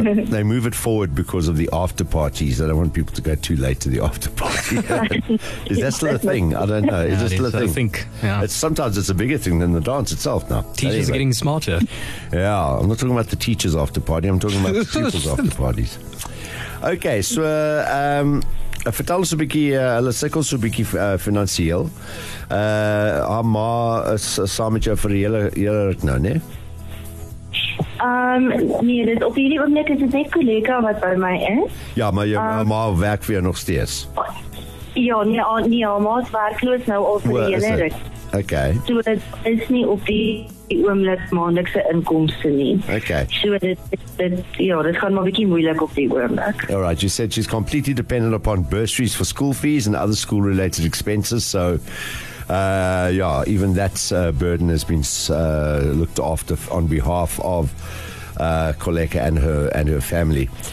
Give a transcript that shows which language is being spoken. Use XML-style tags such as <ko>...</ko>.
<en>They move it forward because of the after parties, I don't want people to go too late to the after party. Is that still a thing? I don't know, is that still a thing? I think, yeah. Sometimes it's a bigger thing than the dance itself now. Teachers anyway. Are getting smarter. Yeah, I'm not talking about the teachers after party, I'm talking about the pupils after parties.</en> <af>Okay, so vertel ons so 'n bietjie, hulle sukkel so 'n bietjie finansieel. Haar ma is saam met jou vir hele ruk nou, nee? Nee, dit op hierdie oomblik is dit net kollega wat by my is. Ja, maar jou ma werk weer nog steeds. Ja, nee, haar ma is werkloos nou al vir hele ruk. Okay. So dit is nie op die oomblik maandelikse inkomste nie. Okay. So dit gaan maar bietjie moeilik op die oomblik.</af> <en>All right, you said she's completely dependent upon bursaries for school fees and other school related expenses, so even that burden has been looked after on behalf of Koleka and her family.</en>